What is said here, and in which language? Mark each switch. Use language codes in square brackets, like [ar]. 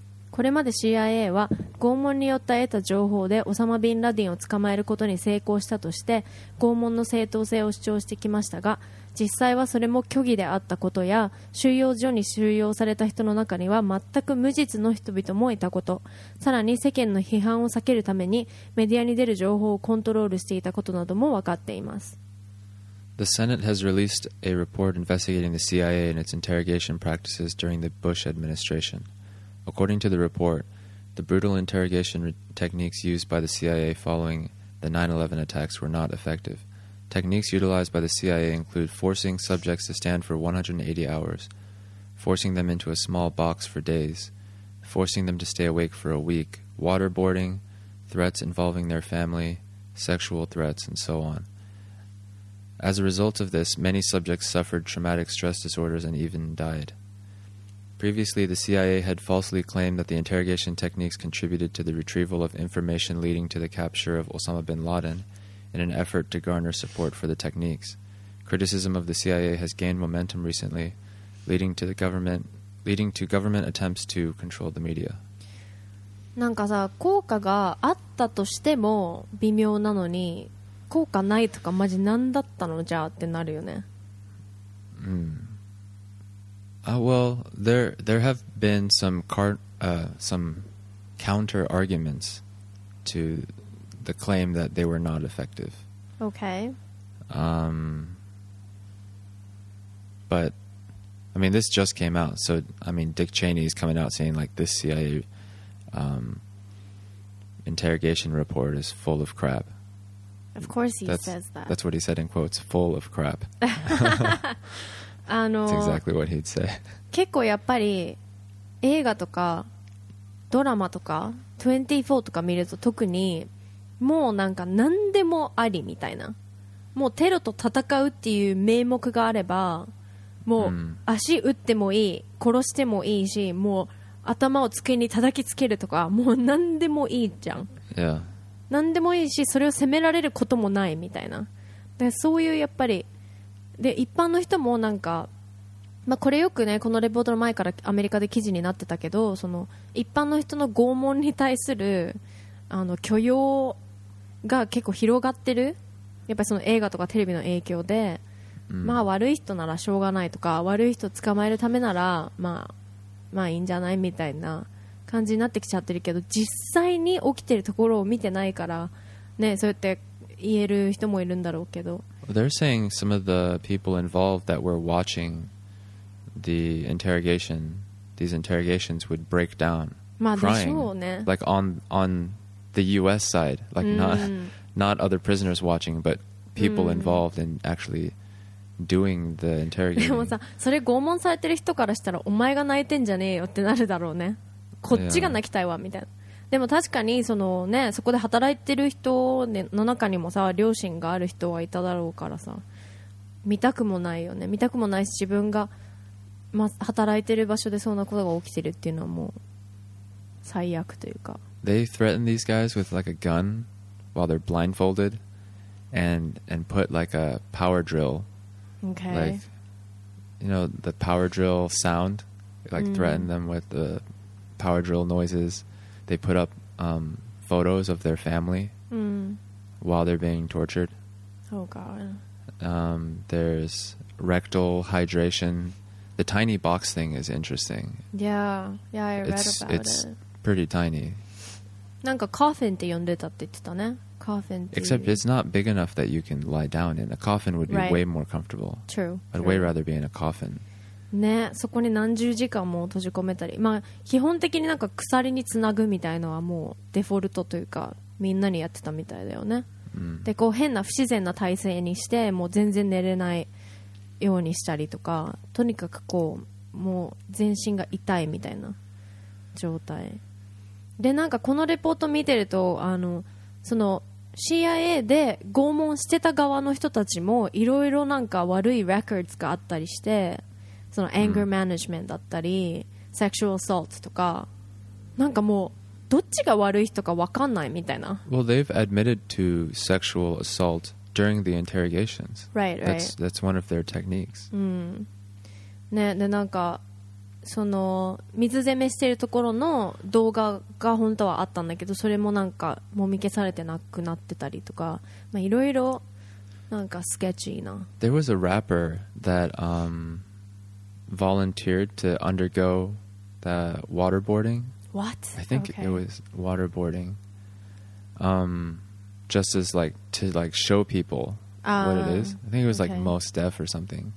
[ja] これまで CIA は拷問によって得た情報でオサマ・ビンラディンを捕まえることに成功したとして拷問の正当性を主張してきましたが、実際はそれも虚偽であったことや、収容所に収容された人の中には全く無実の人々もいたこと、さらに世間の批判を避けるためにメディアに出る情報をコントロールしていたことなども分かっています。 [en] The Senate has released a report investigating the CIA and its interrogation practices during the Bush administration. According to the report, the brutal interrogation techniques used by the CIA following the 9/11 attacks were not effective. Techniques utilized by the CIA include forcing subjects to stand for 180 hours, forcing them into a small box for days, forcing them to stay awake for a week, waterboarding, threats involving their family, sexual threats, and so on. As a result of this, many subjects suffered traumatic stress disorders and even died. Previously, the CIA had falsely claimed that the interrogation techniques contributed to the retrieval of information leading to the capture of Osama bin Laden in an effort to garner support for the techniques. Criticism of the CIA has gained momentum recently, leading to government attempts to control the media. [ja] なんかさ、効果があったとしても微妙なのに、効果ないとかマジ何だったのじゃあってなるよね。 [en] Well, there have been some counter arguments to the claim that they were not effective. Okay. But I mean, this just came out, so I mean, Dick Cheney is coming out saying like this CIA interrogation report is full of crap. Of course he says that. That's what he said in quotes, full of crap. That's exactly what he'd say. [ja] 結構やっぱり映画とかドラマとか24とか見ると特にもうなんか何でもありみたいな、もうテロと戦うっていう名目があればもう足打ってもいい、殺してもいいし、もう頭を机に叩きつけるとか、もう何でもいいじゃん。 [en] Yeah. [ja] 何でもいいし、それを責められることもないみたいな。でそういうやっぱりで一般の人もなんか、まあ、これよくねこのレポートの前からアメリカで記事になってたけど、その一般の人の拷問に対するあの許容が結構広がってる、やっぱりその映画とかテレビの影響で、うん、まあ悪い人ならしょうがないとか、悪い人捕まえるためならまあいいんじゃないみたいな感じになってきちゃってるけど、実際に起きてるところを見てないからね、そうやって言える人もいるんだろうけど。 [en] They're saying some of the people involved that were watching the interrogation, these interrogations would break down, crying, like on the U.S. side, like not other prisoners watching, but people involved in actually doing the interrogation. [ja] でもさ、それ拷問されてる人からしたら、お前が泣いてんじゃねえよってなるだろうね。こっちが泣きたいわみたいな。でも確かにそのね、そこで働いてる人の中にもさ、両親がある人はいただろうからさ、見たくもないよね。見たくもないし、自分が、ま、働いてる場所でそんなことが起きてるっていうのはもう最悪というか。 [en] They threaten these guys with like a gun while they're blindfolded and put like a power drill. Okay. Like, you know, the power drill sound, like threaten them with the power drill noises. They put up photos of their family while they're being tortured. Oh god. There's rectal hydration. The tiny box thing is interesting. Yeah, I read about it. It's pretty tiny. [ja] なんかコフィンって呼んでたって言ってたね。コフィンって。 [en] Except it's not big enough that you can lie down in. A coffin would be way more comfortable. True. I'd way rather be in a coffin. [ja] ね、そこに何十時間も閉じ込めたり、まあ基本的になんか鎖につなぐみたいのはもうデフォルトというかみんなにやってたみたいだよね。でこう変な不自然な体勢にしてもう全然寝れないようにしたりとか、とにかくこうもう全身が痛いみたいな状態で、なんかこのレポート見てると、あのその CIA で拷問してた側の人たちもいろいろなんか悪いレコードがあったりして、そのアンガーマネジメントだったり、セクシュアルアソルトとか、なんかもうどっちが悪い人か分かんないみたいな。 [en] Well, they've admitted to sexual assault during the interrogations. Right, right. That's one of their techniques. [ja] うん。ね、で、なんか、その、水攻めしてるところの動画が本当はあったんだけど、それもなんか、もみ消されてなくなってたりとか、まあ、いろいろ、なんか、スケッチーな。 [en] There was a rapper that, volunteered to undergo the waterboarding. What? I think it was waterboarding. Just as like to like show people what it is. I think it was like Mos Def or something.